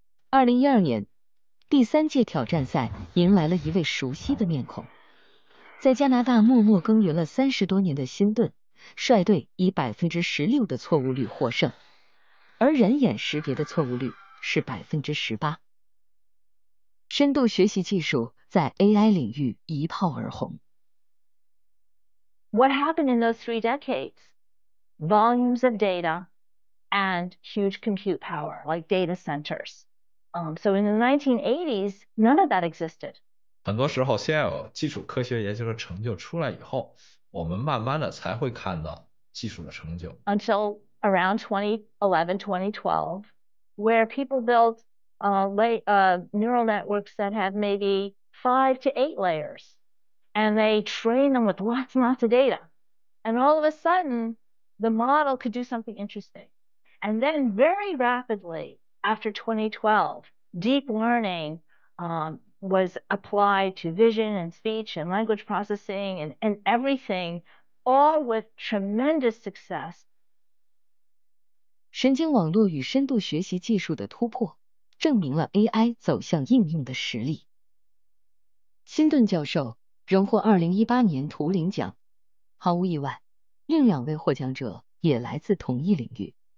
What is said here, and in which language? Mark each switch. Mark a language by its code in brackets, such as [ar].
[zh] 2012年，第三届挑战赛迎来了一位熟悉的面孔，在加拿大默默耕耘了30多年的辛顿，率队以16%的错误率获胜，而人眼识别的错误率是18%。深度学习技术在 AI 领域一炮而红。 [en] What happened in those 3 decades? Volumes of data and huge compute power, like data centers. So in the 1980s, none of that existed. [zh] 很多时候，先有基础科学研究的成就出来以后，我们慢慢的才会看到技术的成就。 [en] Until around 2011, 2012, where people built neural networks that have maybe 5 to 8 layers, and they train them with lots and lots of data, and all of a sudden the model could do something interesting. And then very rapidly after 2012, deep learning was applied to vision and speech and language processing and everything, all with tremendous success. [zh] 神经网络与深度学习技术的突破证明了 AI 走向应用的实力。辛顿教授荣获2018年图灵奖，毫无意外，另两位获奖者也来自同一领域。